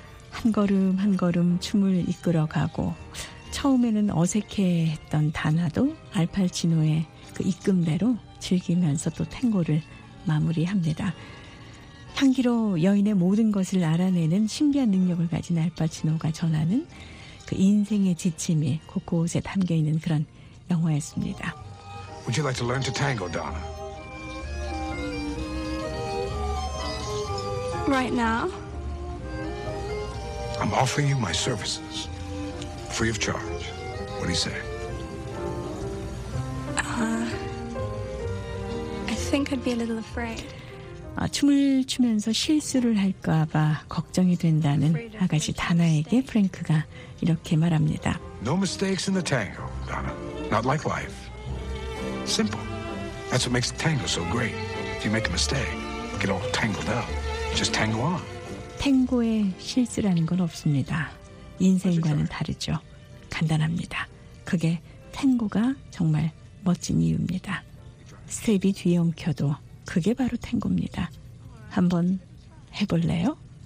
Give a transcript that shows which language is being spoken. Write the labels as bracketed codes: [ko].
[ko] 한 걸음 한 걸음 춤을 이끌어가고 처음에는 어색해했던 다나도 알파치노의 그 이끔대로 즐기면서 또 탱고를 마무리합니다. 향기로 여인의 모든 것을 알아내는 신비한 능력을 가진 알파치노가 전하는 그 인생의 지침이 곳곳에 담겨있는 그런 영화였습니다. [en] Would you like to learn to tango, Donna? Right now? I'm offering you my services, free of charge. What do you say? I think I'd be a little afraid. [ko] 춤을 추면서 실수를 할까 봐 걱정이 된다는 아가씨 다나에게 프랭크가 이렇게 말합니다. [en] No mistakes in the tango, Donna. Not like life. Simple. That's what makes the tango so great. If you make a mistake, get all tangled up. Just tango on. [ko] 탱고에 실수라는 건 없습니다. 인생과는 다르죠. 간단합니다. 그게 탱고가 정말 멋진 이유입니다. 스텝이 뒤에 엉켜도 그게 바로 탱고입니다. 한번 해볼래요?